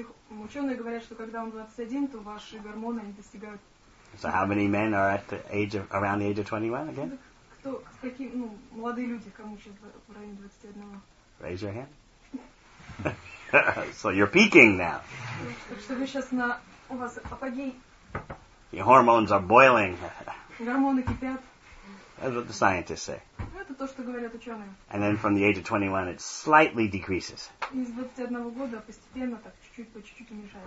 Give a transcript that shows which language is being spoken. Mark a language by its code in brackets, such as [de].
[ru] Ученые говорят, что когда вам 21, то ваши гормоны не достигают. [en] So how many men are at the age of around the age of 21 again? [ru] Молодые люди, кому сейчас в районе 21-го? [en] Raise your hand. So you're peaking now. [ru] Так что вы сейчас на... У вас апогей. [en] Your hormones are boiling. [ru] Гормоны кипят. [en] That's what the scientists say. [ru] Это то, что говорят ученые. [en] And then from the age of 21, it slightly decreases. [ru] Из 21 года постепенно так чуть-чуть по чуть-чуть уменьшается.